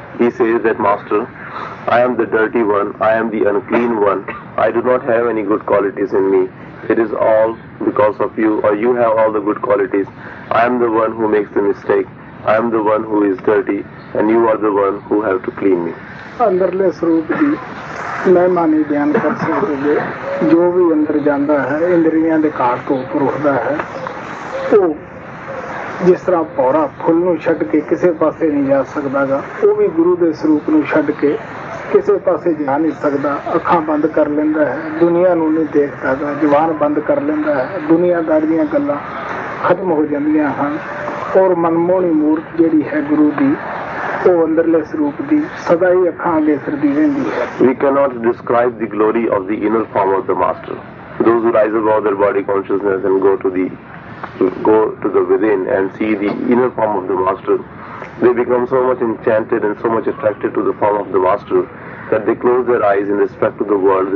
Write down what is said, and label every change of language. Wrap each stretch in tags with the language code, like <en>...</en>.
<en>He says that, Master, I am the dirty one, I am the unclean one, I do not have any good qualities in me. It is all because of you, or you have all the good qualities. I am the one who makes the mistake, I am the one who is dirty and you are the one who have to clean me.</en> <pa>ਅੰਦਰਲੇ ਸਰੂਪ ਦੀ ਮਹਿਮਾ ਨਹੀਂ ਬਿਆਨ ਕਰ ਸਕਦੇ। ਜੋ ਵੀ ਅੰਦਰ ਜਾਂਦਾ ਹੈ ਇੰਦਰੀਆਂ ਦੇ ਕਾਟ ਤੋਂ ਉੱਪਰ ਉੱਠਦਾ ਹੈ, ਉਹ ਜਿਸ ਤਰ੍ਹਾਂ ਪੌੜਾ ਫੁੱਲ ਨੂੰ ਛੱਡ ਕੇ ਕਿਸੇ ਪਾਸੇ ਨਹੀਂ ਜਾ ਸਕਦਾ ਗਾ, ਉਹ ਵੀ ਗੁਰੂ ਦੇ ਸਰੂਪ ਨੂੰ ਛੱਡ ਕੇ ਕਿਸੇ ਪਾਸੇ ਜਾ ਨਹੀਂ ਸਕਦਾ। ਅੱਖਾਂ ਬੰਦ ਕਰ ਲੈਂਦਾ ਹੈ, ਦੁਨੀਆਂ ਨੂੰ ਨਹੀਂ ਦੇਖਦਾ ਗਾ, ਜ਼ੁਬਾਨ ਬੰਦ ਕਰ ਲੈਂਦਾ ਹੈ, ਦੁਨੀਆਂਦਾਰ ਦੀਆਂ ਗੱਲਾਂ ਖਤਮ ਹੋ ਜਾਂਦੀਆਂ ਹਨ, ਔਰ ਮਨਮੋਹਣੀ ਮੂਰਤ ਜਿਹੜੀ ਹੈ ਗੁਰੂ ਦੀ ਉਹ ਅੰਦਰਲੇ ਸਰੂਪ ਦੀ ਸਦਾ ਹੀ ਅੱਖਾਂ ਅੱਗੇ ਫਿਰਦੀ ਰਹਿੰਦੀ ਹੈ।</pa> <en>We cannot describe the glory of the inner form of the master. Those who rise above their body consciousness and go to the within and see the inner form of the master, they become so much enchanted and so much attracted to the form of the master that they close their eyes in respect to the world.</en>